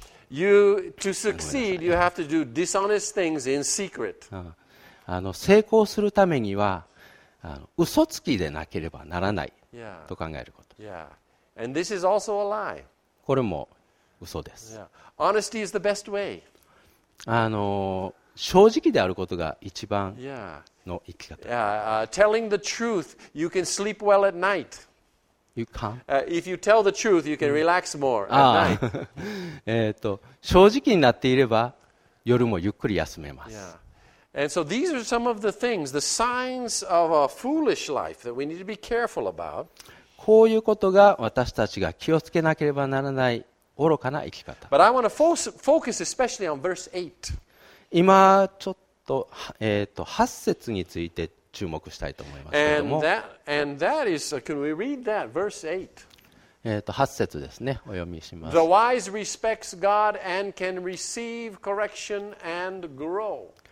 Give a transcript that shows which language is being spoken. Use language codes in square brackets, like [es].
[en] To succeed, you have to do dishonest things in secret. [ja] 成功するためには、嘘つきでなければならないと考えること。 [en] Yeah. And this is also a lie. [ja] これも嘘です。 [en] Honesty is the best way. [ja] 正直であることが一番の生き方。 [en] Telling the truth, you can sleep well at night. You can? If you tell the truth, you can relax more at night. [ja] 正直になっていれば夜もゆっくり休めます。 [en] And so these are some of the things, the signs of a foolish life that we need to be careful about. [ja] こういうことが私たちが気をつけなければならない愚かな生き方。 [en] But I want to focus especially on verse 8. [ja] 今ちょっと8節について注目したいと思いますけれども。 [en] And that is, can we read that verse 8? [ja] 8節ですね。お読みします。 [en] The wise respects God and can receive correction and grow.